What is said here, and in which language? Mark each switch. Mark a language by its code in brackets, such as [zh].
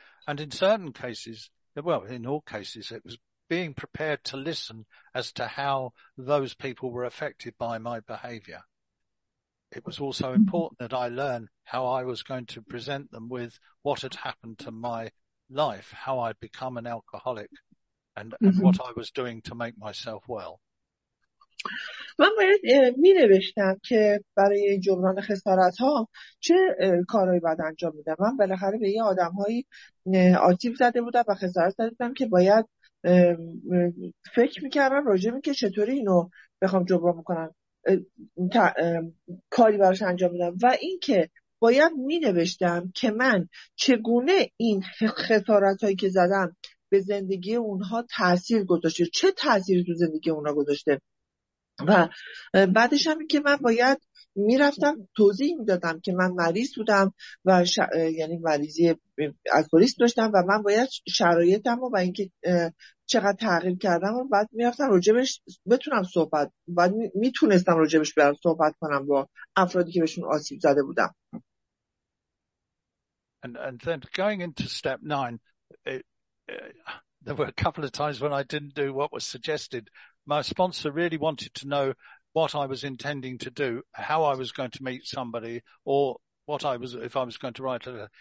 [en] And in certain cases, well, in all cases, it was being prepared to listen as to how those people were affected by my behavior. It was also important that I learn how I was going to present them with what had happened to my life, how I'd become an alcoholic, and what I was doing to make myself well. [fa] من باید می نوشتم که برای جبران خسارت ها چه کارهایی باید انجام میدم. من بالاخره به این آدم هایی آسیب زده بودم و خسارت زده بودم که باید فکر میکردم راجع به که چطوری اینو بخوام جبران بکنم. کاری براش انجام بدم و اینکه باید می نوشتم که من چگونه این خسارت هایی که زدم به زندگی اونها تأثیر گذاشته، چه تأثیری تو زندگی اونها گذاشته و بعدش هم که من باید می رفتم توضیح می دادم که من مریض بودم و یعنی مریضی الکلیست داشتم و من باید شرایطم و اینکه چقدر تغییر کردم و بعد میافتم راجبش بتونم صحبت بعد میتونستم راجبش برم صحبت کنم با افرادی که بهشون آسیب زده بودم. [en] And then going into step 9, there were a couple of times when I didn't do what was suggested. My sponsor really wanted to know what I was intending to do, how I was going to meet somebody, or what I was, if I was going to write a letter.